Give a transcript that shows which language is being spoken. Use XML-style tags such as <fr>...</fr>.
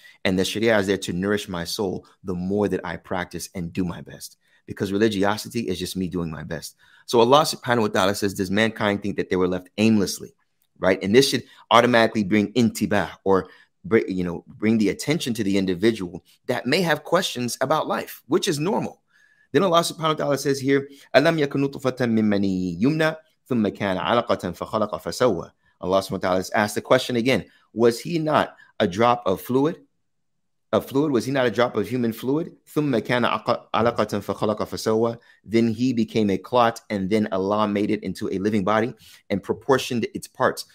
<en>And the Sharia is there to nourish my soul the more that I practice and do my best, because religiosity is just me doing my best. So Allah subhanahu wa ta'ala says, does mankind think that they were left aimlessly? Right? And this should automatically bring intibah, or bring the attention to the individual that may have questions about life, which is normal.</en> <ar>Then Allah subhanahu wa ta'ala says here, أَلَمْ يَكُنْ نُطْفَةً مِنْ مَنِيٍّ يُمْنَى ثُمَّ كَانَ عَلَقَةً فَخَلَقَ فَسَوَّى.</ar> <en>Allah subhanahu wa ta'ala has asked the question again, was he not a drop of fluid? Was he not a drop of human fluid?</en> <ar>ثُمَّ كَانَ عَلَقَةً فَخَلَقَ فَسَوَى.</ar> <en>Then he became a clot, and then Allah made it into a living body and proportioned its parts.</en>